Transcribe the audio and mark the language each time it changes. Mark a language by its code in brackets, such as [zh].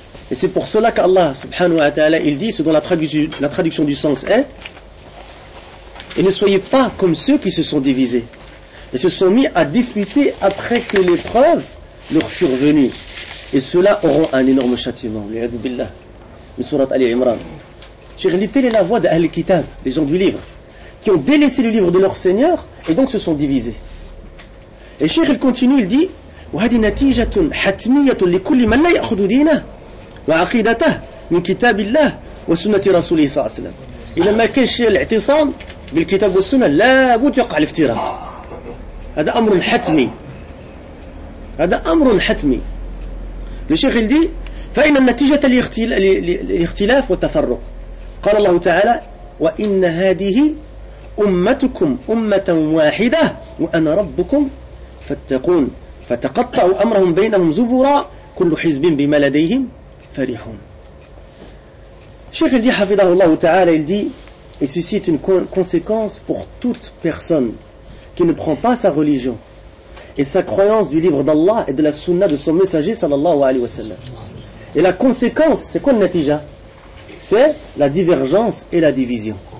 [fr] Et c'est pour cela qu'Allah, subhanahu wa ta'ala, il dit, selon la traduction du sens est, et ne soyez pas comme ceux qui se sont divisés et se sont mis à disputer après que les preuves leur furent venues. Et ceux-là auront un énorme châtiment. L'iyadu billah. Mais surat Ali Imran. Cher, telle est la voix d'Ahl Kitab, les gens du livre, qui ont délaissé le livre de leur Seigneur et donc se sont divisés. Et cher, il continue, il dit, [ar] وهذه نتيجة حتمية لكل من لا يأخذ دينه وعقيدته من كتاب الله وسنة رسوله صلى الله عليه وسلم. إذا ما كان شيء الاعتصام بالكتاب والسنة لا بد يقع الافتراق. هذا أمر حتمي. هذا أمر حتمي. الشيخ يقول فإن النتيجة للاختلاف والتفرق. قال الله تعالى وإن هذه أمتكم أمة واحدة وأنا ربكم فاتقون. فتقطعوا أمرهم بينهم زبورا كل حزب بما لديهم فرحون. الشيخ يقول حفظه الله تعالى يقول [fr] et suscite une conséquence pour toute personne qui ne prend pas sa religion et sa croyance du livre d'Allah et de la sunna de son messager sallallahu alayhi wa sallam. Et la conséquence, c'est quoi le natija? C'est la divergence et la division.